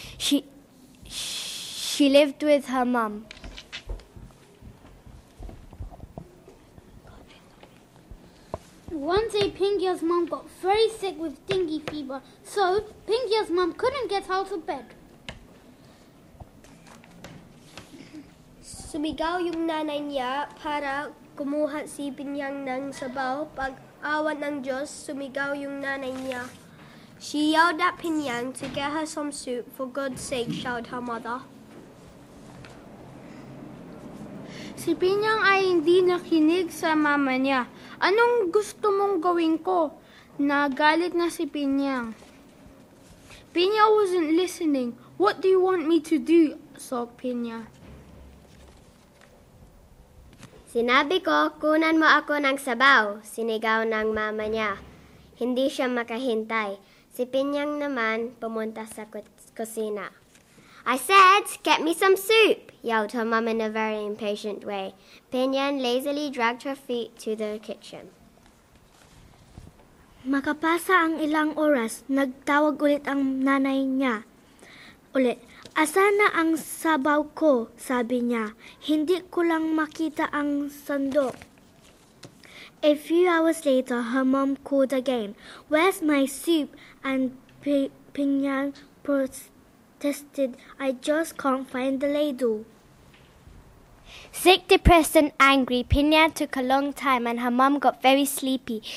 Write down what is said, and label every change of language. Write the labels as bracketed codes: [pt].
[en] She lived with her mum. One day, Pinya's mum got very sick with dengue fever, so Pinya's mum couldn't get out of bed. [tl] Sumigaw yung nanay niya para kumuha si Pinyang ng sabaw. Pag awa ng Diyos, sumigaw yung nanay niya. [en] She yelled at Pinyang to get her some soup. For God's sake, shouted her mother. [tl] Si Pinyang ay hindi nakinig sa mama niya. Anong gusto mong gawin ko? Nagalit na si Pinyang. [en] Pinya wasn't listening. What do you want me to do? Sobbed Pinya. [tl] Sinabi ko, kunan mo ako ng sabaw, sinigaw ng mama niya. Hindi siya makahintay. Si Pinyang naman pumunta sa kusina. [en] I said, get me some soup, yelled her mom in a very impatient way. Pinyang lazily dragged her feet to the kitchen. [tl] Makapasa ang ilang oras, nagtawag ulit ang nanay niya. Ulit, asa na ang sabaw ko, sabi niya. Hindi ko lang makita ang sandok. [en] A few hours later, her mom called again. Where's my soup? And Pinyan protested, I just can't find the ladle. Sick, depressed and angry, Pinyan took a long time and her mom got very sleepy.